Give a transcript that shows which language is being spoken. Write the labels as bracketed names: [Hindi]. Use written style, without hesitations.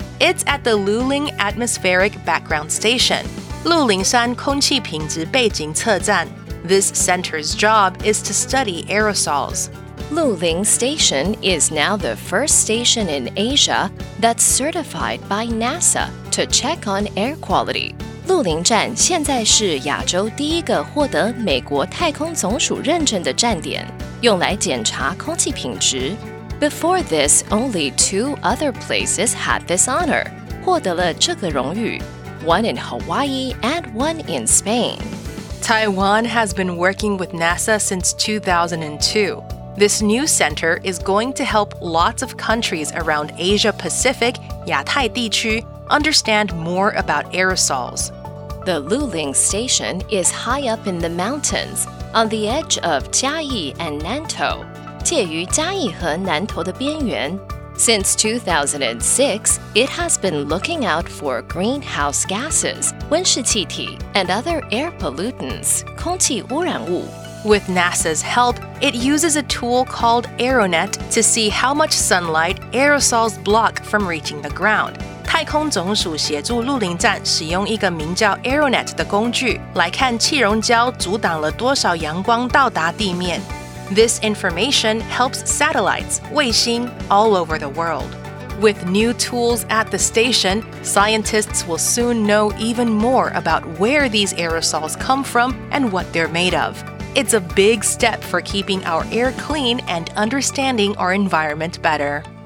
[English] It's at the Lulin Atmospheric Background Station, Lulin [Chinese] 山空气品质背景测站. [English] This center's job is to study aerosols. Lulin Station is now the first station in Asia that's certified by NASA to check on air quality. [Chinese] 鹿林站现在是亚洲第一个获得美国太空总署认证的站点，用来检查空气品质。 [English] Before this, only two other places had this honor, [Chinese] 获得了这个荣誉, [English] one in Hawaii and one in Spain. Taiwan has been working with NASA since 2002. This new center is going to help lots of countries around Asia Pacific, [Chinese] 亚太地区, [English] understand more about aerosols. The Lulin Station is high up in the mountains, on the edge of Chiayi and Nantou, [Chinese] 介于嘉义和南投的边缘. [English] Since 2006, it has been looking out for greenhouse gases, [Chinese] 温室气体, [English] and other air pollutants, [Chinese] 空气污染物. [English] With NASA's help, it uses a tool called AERONET to see how much sunlight aerosols block from reaching the ground. [Chinese] 太空总署协助鹿林站使用一个名叫 AERONET 的工具，来看气溶胶阻挡了多少阳光到达地面。 [English] This information helps satellites, [Chinese] 卫星 [English] all over the world. With new tools at the station, scientists will soon know even more about where these aerosols come from and what they're made of. It's a big step for keeping our air clean and understanding our environment better.